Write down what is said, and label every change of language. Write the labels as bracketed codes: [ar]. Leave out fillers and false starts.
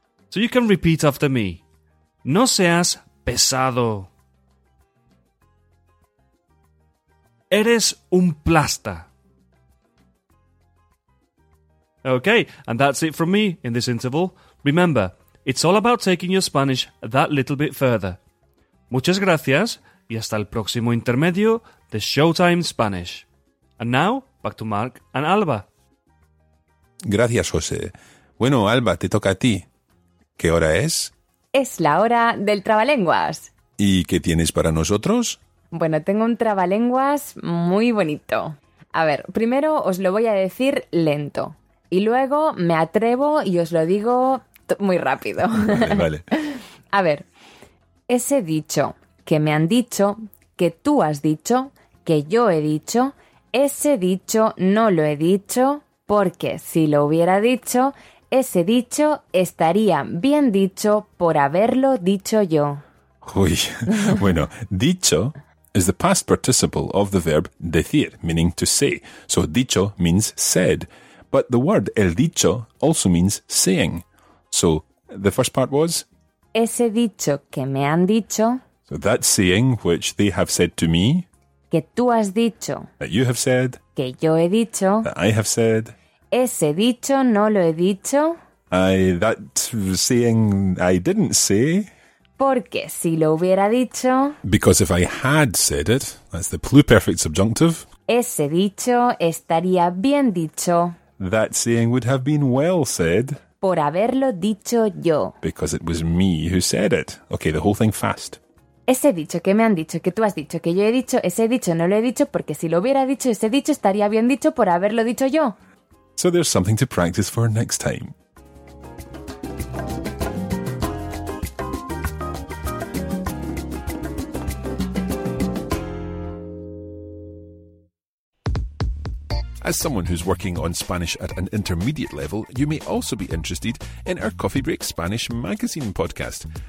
[en] So you can repeat after me. [es] No seas pesado. Eres un plasta. [en] Okay, and that's it from me in this interval. Remember, it's all about taking your Spanish that little bit further. [es] Muchas gracias y hasta el próximo intermedio de Showtime Spanish. [en] And now, back to Mark and Alba. [es] Gracias, José. Bueno, Alba, te toca a ti. ¿Qué hora es? Es la hora del trabalenguas. ¿Y qué tienes para nosotros? Bueno, tengo un trabalenguas muy bonito. A ver, primero os lo voy a decir lento. Y luego me atrevo y os lo digo muy rápido. Vale, vale. A ver, ese dicho que me han dicho, que tú has dicho, que yo he dicho, ese dicho no lo he dicho porque si lo hubiera dicho, ese dicho estaría bien dicho por haberlo dicho yo. Uy, bueno, [en] dicho is the past participle of the verb decir, meaning to say. So dicho means said. But the word el dicho also means saying. So the first part was [es] ese dicho que me han dicho. [en] So that saying which they have said to me. [es] Que tú has dicho. [en] That you have said. [es] Que yo he dicho. [en] That I have said. [es] Ese dicho no lo he dicho. [en] That saying I didn't say. [es] Porque si lo hubiera dicho. [en] Because if I had said it, that's the pluperfect subjunctive. [es] Ese dicho estaría bien dicho. [en] That saying would have been well said. [es] Por haberlo dicho yo. [en] Because it was me who said it. Okay, the whole thing fast. [es] Ese dicho que me han dicho, que tú has dicho, que yo he dicho, ese dicho no lo he dicho, porque si lo hubiera dicho, ese dicho estaría bien dicho por haberlo dicho yo. [en] So there's something to practice for next time. As someone who's working on Spanish at an intermediate level, you may also be interested in our Coffee Break Spanish magazine podcast.